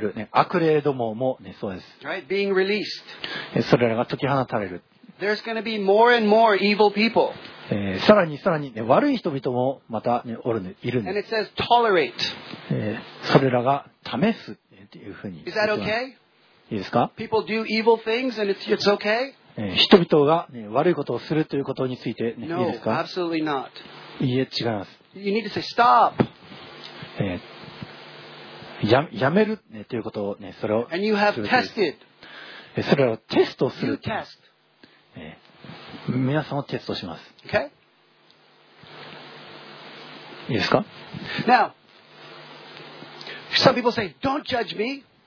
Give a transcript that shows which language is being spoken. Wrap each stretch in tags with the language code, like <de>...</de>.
<ja>る、ね、悪霊どもも、ね、そうです、</ja> <en>right? Being released.</en> <ja>それらが解き放たれる。</ja> <en>There's gonna be more and more evil people.</en> <ja>さらにさらに、ね、悪い人々もまた、ね、おるね、いるね。</ja> <en>And it says tolerate.</en> <ja>それらが試すっていうふうに。</ja> <en>Is that okay?</en> <ja>いいですか。</ja> <en>People do evil things and it's okay?</en> <ja>人々が、ね、悪いことをするということについて、ね、</ja> <en>no,</en> <ja>いいですか。</ja> <en>absolutely not.</en> <ja>いいえ、違います。</ja> <en>You need to say stop.</en> <ja>やめる、ね、ということを、ね、それを。</ja> <en>And you have tested.</en> <ja>それをテストする。</ja> <en>you test.、</en> <ja>皆さんをテストします。</ja> <en>okay?</en> <ja>いいですか。</ja> <en>Now, some people say, don't judge me.</en>